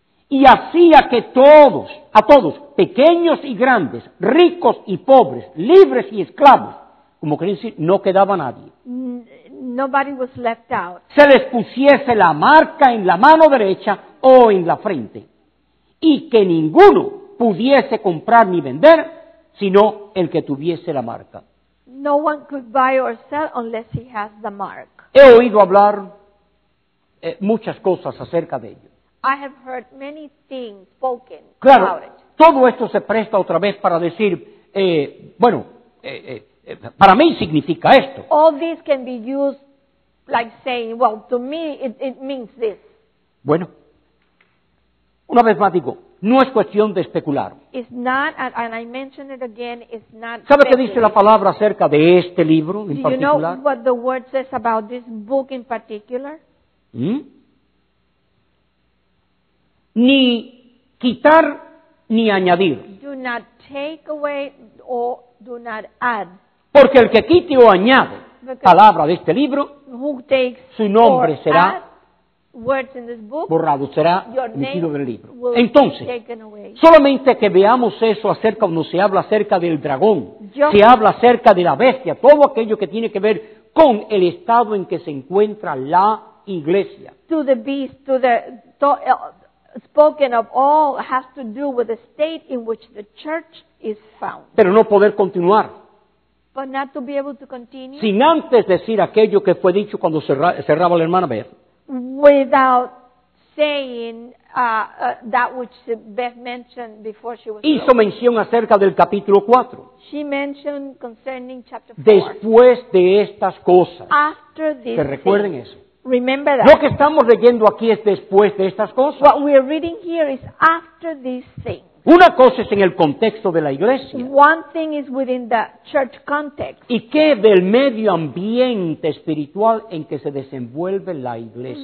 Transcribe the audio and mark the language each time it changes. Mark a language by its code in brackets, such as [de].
[es] Y hacía que todos, a todos, pequeños y grandes, ricos y pobres, libres y esclavos, como quieren decir, no quedaba nadie. [en] Nobody was left out. [es] Se les pusiese la marca en la mano derecha o en la frente, y que ninguno pudiese comprar ni vender, sino el que tuviese la marca. [en] No one could buy or sell unless he has the mark. [es] He oído hablar muchas cosas acerca de ello. [en] I have heard many things spoken about it. [es] Claro, todo esto se presta otra vez para decir, para mí significa esto. [en] All this can be used like saying, well, to me it means this. [es] Bueno, una vez más digo, no es cuestión de especular. [en] It's not, and I mention it again, it's not. [es] ¿Sabe qué dice la palabra acerca de este libro en particular? [en] Do you know what the word says about this book in particular? [es] Ni quitar ni añadir. [en] Do not take away or do not add. [es] Porque el que quite o añade palabra de este libro, su nombre será borrado, será emitido del libro. Entonces, solamente que veamos eso acerca, cuando se habla acerca del dragón, se habla acerca de la bestia, todo aquello que tiene que ver con el estado en que se encuentra la iglesia. [en] To the beast, to the spoken of all has to do with the state in which the church is found. [es] Pero no poder continuar. [en] But not to be able to continue. [es] Sin antes decir aquello que fue dicho cuando cerraba la hermana Beth. [en] Without saying that which Beth mentioned before she was [es] hizo [en] broken. [es] Mención acerca del capítulo 4. [en] She mentioned concerning chapter 4. [es] Después de estas cosas. [en] After this. [es] Que recuerden thing. Eso. [en] Remember that. [es] Lo que estamos leyendo aquí es después de estas cosas. [en] What we are reading here is after these things. [es] Una cosa es en el contexto de la iglesia. [en] One thing is within the church context. [es] ¿Y qué del medio ambiente espiritual en que se desenvuelve la iglesia?